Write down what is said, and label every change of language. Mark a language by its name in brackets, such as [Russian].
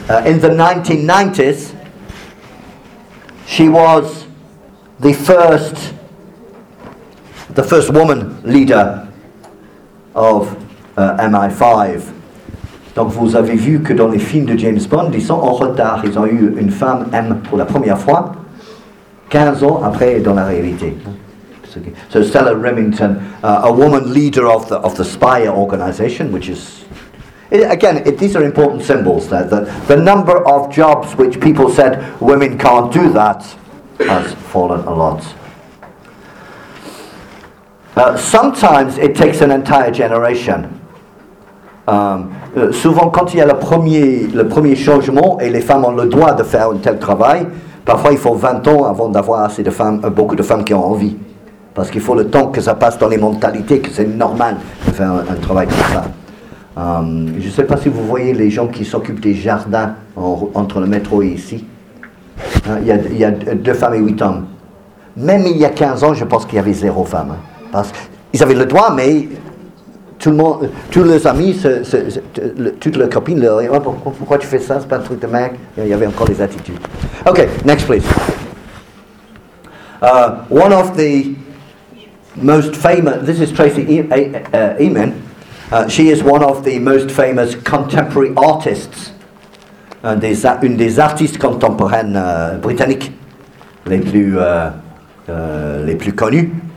[English] In the 1990s, she was the first woman leader of MI5. [French] Donc vous avez vu que dans les films de James Bond, ils sont en retard. Ils ont eu une femme M pour la première fois, 15 ans après dans la réalité. So Stella Remington, a woman leader of the spy organization, which is... these are important symbols there, that the number of jobs which people said women can't do that has fallen a lot. Sometimes it takes an entire generation. Souvent quand il y a le premier changement et les femmes ont le droit de faire un tel travail, parfois il faut 20 ans avant d'avoir assez de femmes, beaucoup de femmes qui ont envie. Parce qu'il faut le temps que ça passe dans les mentalités, que c'est normal de faire un travail comme ça. Je ne sais pas si vous voyez les gens qui s'occupent des jardins entre le métro et ici. Il y a deux femmes et huit hommes. Même il y a 15 ans, je pense qu'il y avait zéro femme. Hein, parce qu'ils avaient le droit, mais tout le monde, tous leurs amis, toutes leurs copines leur disaient, pourquoi tu fais ça, c'est pas un truc de mec. Il y avait encore des attitudes. Ok, [English] next please. One of the most famous, this is Tracy Emin. She is one of the most famous contemporary artists, [French] une des artistes contemporaines britanniques les plus connues.